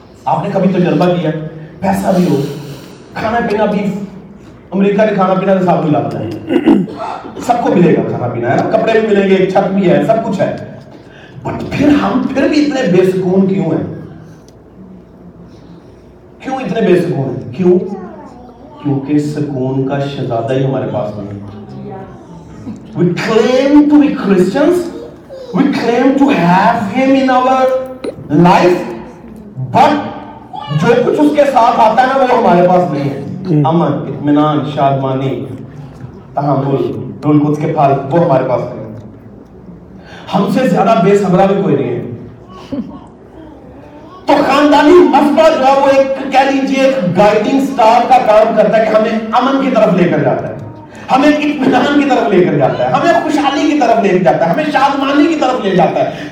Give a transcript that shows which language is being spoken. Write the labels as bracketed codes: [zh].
[ur] آپ نے کبھی تجربہ کیا, پیسہ بھی ہو, کھانا پینا بھی, امریکہ کے کھانا پینا سب کو لاتا ہے, سب کو ملے گا کھانا پینا, ہے کپڑے بھی ملیں گے, چھت بھی ہے, سب کچھ ہے, بٹ پھر ہم پھر بھی اتنے بے سکون کیوں ہیں؟ کیوں اتنے بے سکون ہیں؟ کیوں؟ کیونکہ سکون کا شہزادہ ہی ہمارے پاس نہیں ہے. [en] We claim to be Christians, we claim to have him in our life, but [ur] جو کچھ اس کے ساتھ آتا ہے وہ ہمارے پاس نہیں ہے. امن, اطمینان, شادمانی, تحمل, رول کو اس کے پھل, وہ ہمارے پاس نہیں ہے. ہم سے زیادہ بے صبرا بھی کوئی نہیں ہے. تو خاندانی مذبح جو ہے وہ ایک کہہ لیجیے ایک گائیڈنگ سٹار کا کام کرتا ہے کہ ہمیں امن کی طرف لے کر جاتا ہے, ہمیں اطمینان کی طرف لے کر جاتا ہے, ہمیں خوشحالی کی طرف لے جاتا ہے, ہمیں شادمانی کی طرف لے جاتا ہے.